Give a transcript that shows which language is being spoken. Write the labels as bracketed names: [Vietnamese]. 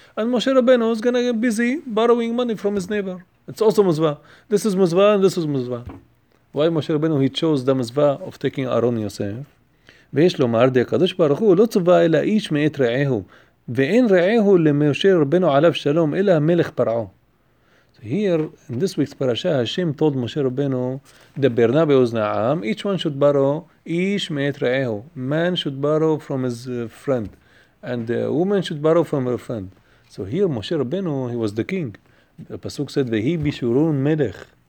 [English] And Moshe Rabbeinu is going to get busy borrowing money from his neighbor. It's also mitzvah. This is mitzvah and this is mitzvah. Why Moshe Rabbeinu, he chose the mitzvah of taking Aron and Yosef? [Hebrew] ויש לומר די הקדוש ברוך הוא לא צווה אלא איש מעת רעהו ואין רעהו למשה רבנו עליו שלום אלא המלך פרעו. [English] So here in this week's parasha Hashem told Moshe Rabbeinu [Hebrew] דבר נא באוזני העם, [English] each one should borrow [Hebrew] איש מעת רעהו, [English] man should borrow from his friend and the woman should borrow from her friend. So here Moshe Rabbeinu, he was the king. The pasuk said [Hebrew] והי בישורון מלך.